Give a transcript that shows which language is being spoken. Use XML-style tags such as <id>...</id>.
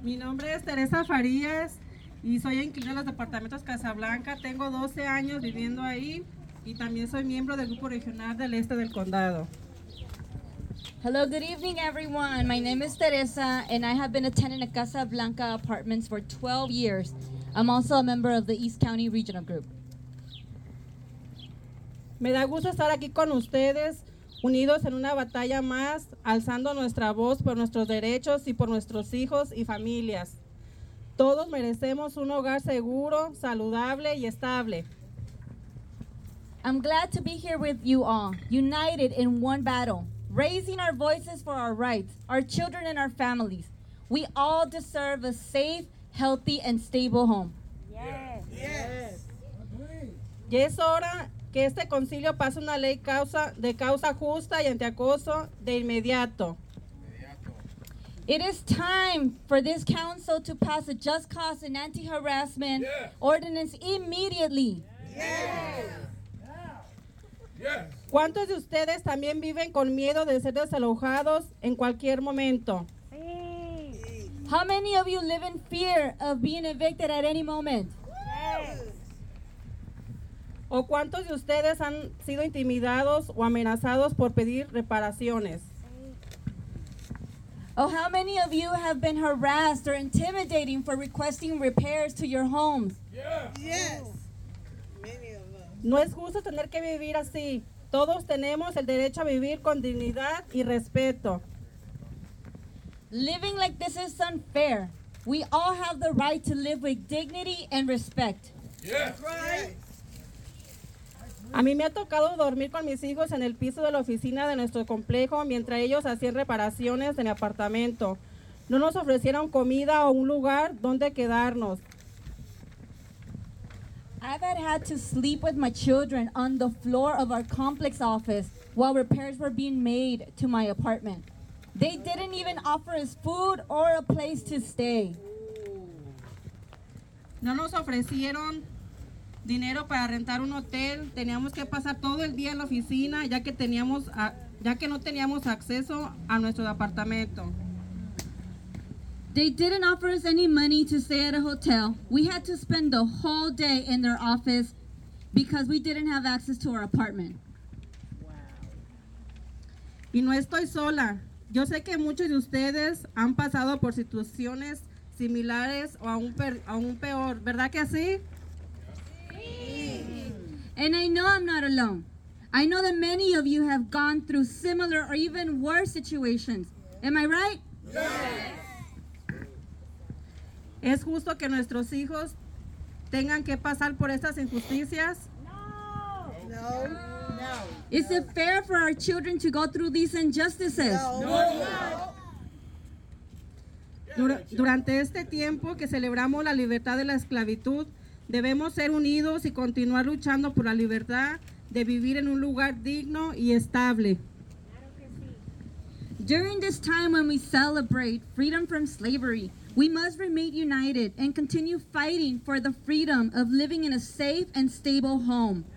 <es>Mi nombre es Teresa Farias y soy inquilina de los departamentos Casablanca. Tengo 12 años viviendo ahí. Y también soy miembro del grupo regional del este del condado.</es> <en>Hello, good evening, everyone. My name is Teresa, and I have been a tenant at Casablanca Apartments for 12 years. I'm also a member of the East County Regional Group.</en> <es>Me da gusto estar aquí con ustedes, unidos en una batalla más, alzando nuestra voz por nuestros derechos y por nuestros hijos y familias. Todos merecemos un hogar seguro, saludable y estable.</es> <en>I'm glad to be here with you all, united in one battle, raising our voices for our rights, our children and our families. We all deserve a safe, healthy, and stable home. Yes. Yes.</en> <es>Ya es hora que este concilio pase una ley de causa justa y antiacoso de inmediato.</es> <en>It is time for this council to pass a just cause and anti-harassment ordinance immediately. Yes.</en> <es>¿Cuántos de ustedes también viven con miedo de ser desalojados en cualquier momento?</es> <en>How many of you live in fear of being evicted at any moment? Yes.</en> <es>¿O cuántos de ustedes han sido intimidados o amenazados por pedir reparaciones?</es> <en>Oh, how many of you have been harassed or intimidating for requesting repairs to your homes? Yes.</en> <es>No es justo tener que vivir así. Todos tenemos el derecho a vivir con dignidad y respeto.</es> <en>Living like this is unfair. We all have the right to live with dignity and respect. Yes. Right.</en> <es>A mí me ha tocado dormir con mis hijos en el piso de la oficina de nuestro complejo mientras ellos hacían reparaciones en mi apartamento. No nos ofrecieron comida o un lugar donde quedarnos.</es> <en>I've had to sleep with my children on the floor of our complex office while repairs were being made to my apartment. They didn't even offer us food or a place to stay.</en> <es>No nos ofrecieron dinero para rentar un hotel. Teníamos que pasar todo el día en la oficina ya que no teníamos acceso a nuestro apartamento.</es> <en>They didn't offer us any money to stay at a hotel. We had to spend the whole day in their office because we didn't have access to our apartment.</en> <es>Wow. Y no estoy sola. Yo sé que muchos de ustedes han pasado por situaciones similares o aún peor, ¿verdad que así? Sí.</es> <en>And I know I'm not alone. I know that many of you have gone through similar or even worse situations. Am I right? Yes.</en> <es>¿Es justo que nuestros hijos tengan que pasar por estas injusticias? No.</es> <en>Is it fair for our children to go through these injustices? No. Durante este tiempo que celebramos la libertad de la esclavitud, debemos ser unidos y continuar luchando por la libertad de vivir en un lugar digno y estable. During this time when we celebrate freedom from slavery, we must remain united and continue fighting for the freedom of living in a safe and stable home.</en>